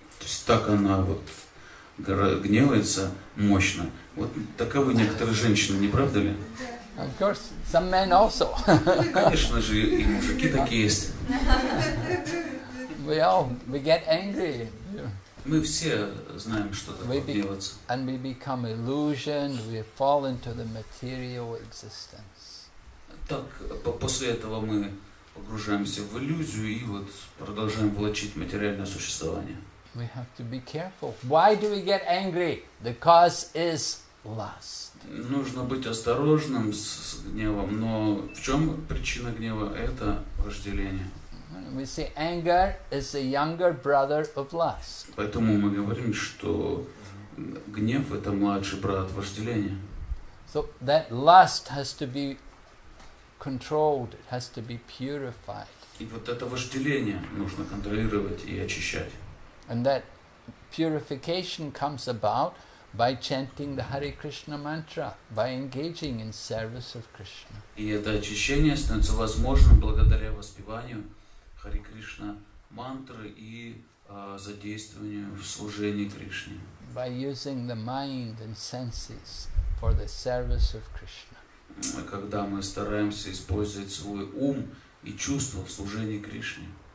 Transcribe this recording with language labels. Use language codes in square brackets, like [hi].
[ru] То есть так она вот гневается мощно. Вот таковы некоторые женщины, не правда ли? [en] Of course, some men also. [ru] Конечно же, и мужики такие есть. [en] We get angry. [ru] Мы все знаем, что такое гневаться. [en] And we become illusioned, we fall into the material existence. [ru] Так, после этого мы погружаемся в иллюзию и вот продолжаем влачить материальное существование. [en] We have to be careful. Why do we get angry? The cause is lust. [ru] Нужно быть осторожным с гневом, но в чем причина гнева? Это вожделение. [en] We say anger is the younger brother of lust. [ru] Поэтому мы говорим, что гнев – это младший брат вожделения. [en] So that lust has to be controlled, it has to be purified. [ru] И вот это вожделение нужно контролировать и очищать. [en] And that purification comes about by chanting the Hare Krishna mantra, by engaging in service of Krishna. [ru] И это очищение становится возможным благодаря воспеванию Хари Кришна мантры и задействованию в служении Кришне. [en] By using the mind and senses for the service of Krishna. [ru] Когда мы стараемся использовать свой ум и чувства в служении Кришне.